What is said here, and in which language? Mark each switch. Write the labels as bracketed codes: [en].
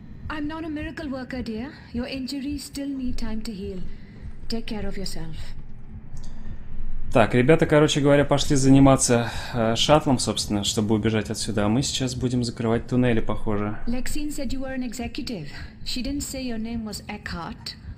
[en] I'm not a miracle worker, dear. Your injuries still need time to heal. Take care of yourself. [ru] Так, ребята, короче говоря, пошли заниматься шаттлом, собственно, чтобы убежать отсюда. А мы сейчас будем закрывать туннели, похоже. [en] Lexine said you were an executive. She didn't say your name was Eckhart.